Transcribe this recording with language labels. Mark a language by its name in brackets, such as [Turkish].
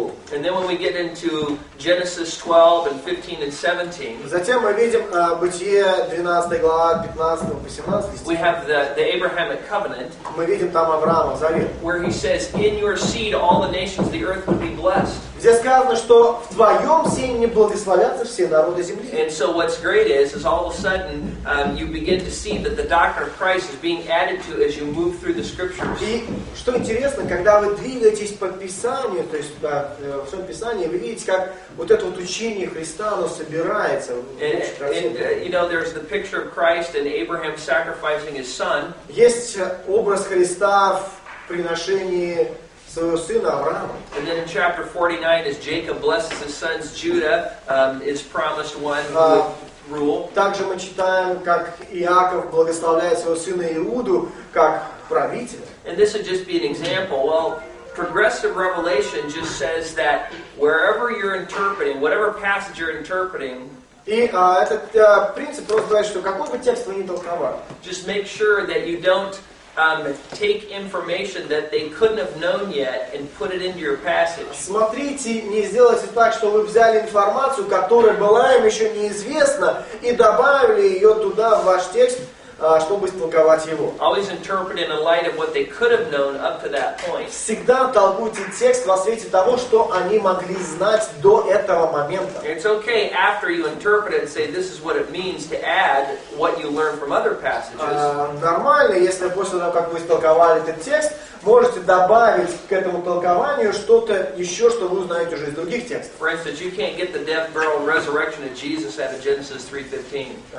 [English] And then when we get into Genesis 12 and 15 and 17, [Russian] затем мы видим Бытие 12 глава 15 по 17 стих. [English] We have the Abrahamic covenant. [Russian] Мы видим там Авраама завет. [English] Where he says, "In your seed all the nations of the earth would be blessed." [Russian] Здесь сказано, что в твоем семени благословятся все народы земли. [English] And so what's great is all of a sudden you begin to see that the doctrine of Christ is being added to as you move through the scriptures. [Russian] И что интересно, когда вы двигаетесь по Писанию, то есть в своем Писании, вы видите, как вот это вот учение Христа, оно собирается. [English] You know, there's the picture of Christ and Abraham sacrificing his son. [Russian] Есть образ Христа в приношении своего сына Авраама. [English] And then in chapter 49, as Jacob blesses his sons, Judah is promised one who rule. [Russian] Также мы читаем, как Иаков благословляет своего сына Иуду как правителя. [English] And this would just be an example. Well, progressive revelation just says that wherever you're interpreting, whatever passage you're interpreting, [Russian] и этот принцип просто говорит, что какой бы текст вы ни толковали, [English] just make sure that you don't take information that they couldn't have known yet and put it into your passage. [Russian] Смотрите, не сделайте так, что вы взяли информацию, которая была им еще неизвестна, и добавили ее туда в ваш текст, чтобы истолковать его. [English] Always interpret in light of what they could have known up to that point. [Russian] Всегда толкуйте текст во свете того, что они могли знать до этого момента. [English] It's okay after you interpret it and say this is what it means to add what you learn from other passages. [Russian] Нормально, если после того, как вы истолковали этот текст, можете добавить к этому толкованию что-то еще, что вы узнаете уже из других текстов. [English] For instance, you can't get the death, burial, and resurrection of Jesus out of Genesis 3:15.